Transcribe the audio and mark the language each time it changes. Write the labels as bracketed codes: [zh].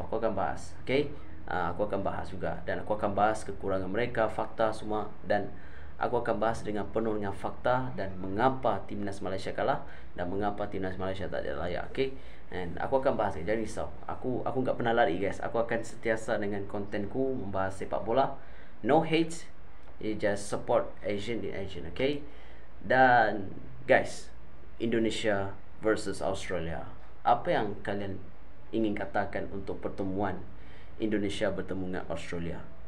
[id] Aku akan bahas, okay? Aku akan bahas juga. Dan aku akan bahas kekurangan mereka, fakta semua. Dan aku akan bahas dengan penuh dengan fakta dan mengapa Timnas Malaysia kalah dan mengapa Timnas Malaysia tak ada layak, okay? And aku akan bahas, jangan risau. Aku enggak pernah lari guys. Aku akan sentiasa dengan kontenku membahas sepak bola. [en] No hate, you just support Asian in Asian, okay? [id] Dan guys, Indonesia versus Australia, apa yang kalian ingin katakan untuk pertemuan Indonesia bertemu dengan Australia?